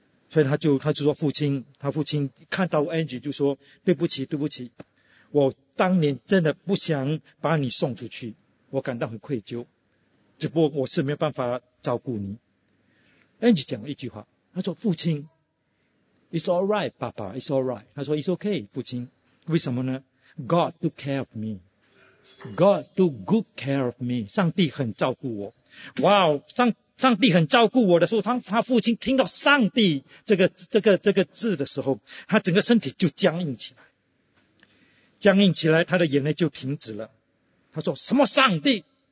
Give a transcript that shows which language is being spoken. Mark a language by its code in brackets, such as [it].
[zh] 所以他就说，他父亲看到 Angie 就说，对不起，我当年真的不想把你送出去，我感到很愧疚，只不过我是没有办法照顾你。 Angie 讲了一句话，他说，父亲， It's all right, 爸爸。 [en] It's all right. 他说，It's okay, 父亲。为什么呢？God took care of me. God took good care of me. 上帝很照顾我。 [zh] 哇、wow, 上帝很照顾我的时候，他父亲听到上帝这个字的时候，他整个身体就僵硬起来，他的眼泪就停止了。他说什么上帝？